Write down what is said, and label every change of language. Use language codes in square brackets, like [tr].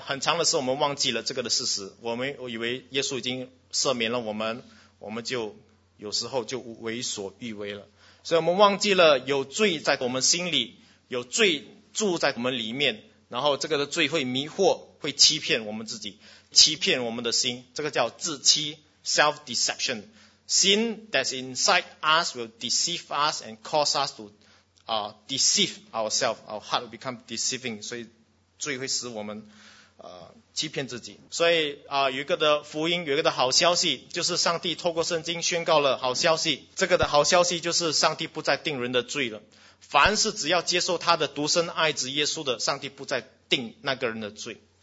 [zh] 很长的时候我们忘记了这个的事实，我以为耶稣已经赦免了我们，我们就有时候就为所欲为了。所以我们忘记了有罪在我们心里，有罪住在我们里面，然后这个的罪会迷惑，会欺骗我们自己，欺骗我们的心，这个叫自欺 self-deception。 [en] Sin that's inside us will deceive us and cause us to deceive ourselves. Our heart will become deceiving. [zh] 所以罪会使我们欺骗自己。所以有一个的福音，有一个的好消息，就是上帝透过圣经宣告了好消息。这个的好消息就是上帝不再定人的罪了，凡是只要接受他的独生爱子耶稣的，上帝不再定那个人的罪。